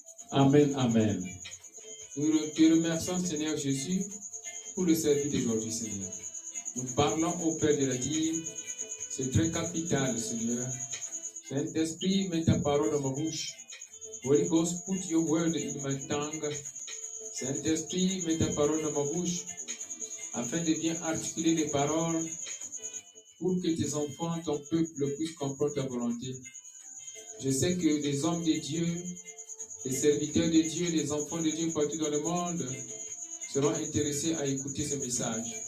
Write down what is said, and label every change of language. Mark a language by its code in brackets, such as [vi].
[fr] Amen, amen. Nous te remercions, Seigneur Jésus, pour le service d'aujourd'hui, Seigneur. Nous parlons au Père de la dîme. C'est très capital, Seigneur. Saint-Esprit, mets ta parole dans ma bouche. [en] Holy Ghost, put your word in my tongue. [fr] Saint-Esprit, mets ta parole dans ma bouche, afin de bien articuler les paroles, pour que tes enfants, ton peuple, puissent comprendre ta volonté. Je sais que les hommes de Dieu, les serviteurs de Dieu, les enfants de Dieu partout dans le monde seront intéressés à écouter ce message.